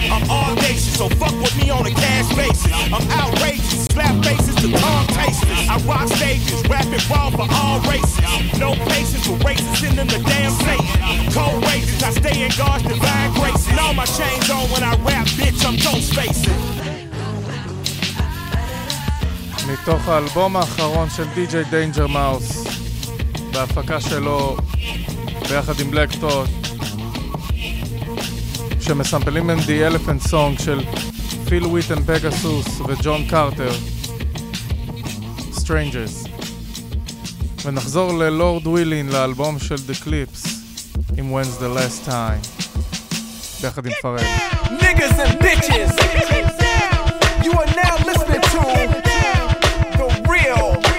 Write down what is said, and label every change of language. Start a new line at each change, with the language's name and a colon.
English: I'm all nation, so fuck with me on the cash. Faces. I'm outrageous, slap faces to calm tastes. I rock stages, rapping raw for all races. No patience for racists in the damn Satan. Cold races, I stay in God's divine grace. And all my chains on when I rap, bitch, I'm ghost facing.
Hebrew: מתוך האלבום האחרון של DJ Danger Mouse, בהפקה שלו ביחד עם בלק טוט, שמסמפלים עם The Elephant Song של פיל וויטן פגסוס וג'ון קארטר, Strangers. ונחזור ללורד ווילין, לאלבום של The Clips, עם When's the Last Time, ביחד עם פרד.
English: Niggas and bitches, you are now listening to the real.